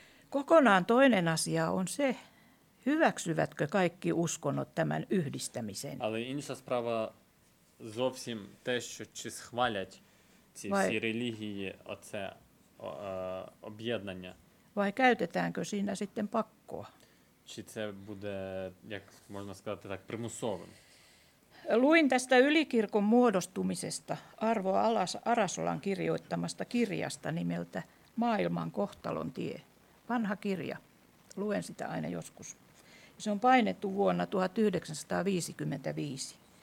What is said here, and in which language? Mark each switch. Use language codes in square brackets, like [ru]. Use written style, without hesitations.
[fi] Kokonaan toinen asia on se, hyväksyvätkö kaikki uskonnot tämän yhdistämisen. [uk] Але інша справа зовсім те, що чи схвалять ці всі релігії оце об'єднання. [fi] Vai käytetäänkö siinä sitten pakkoa? [uk] Чи це буде, як можна сказати так, примусовим. [fi] Luin tästä ylikirkon muodostumisesta Arvo Arasolan kirjoittamasta kirjasta nimeltä Maailman kohtalon tie. Vanha kirja. Luen sitä aina joskus. Se on painettu vuonna 1955.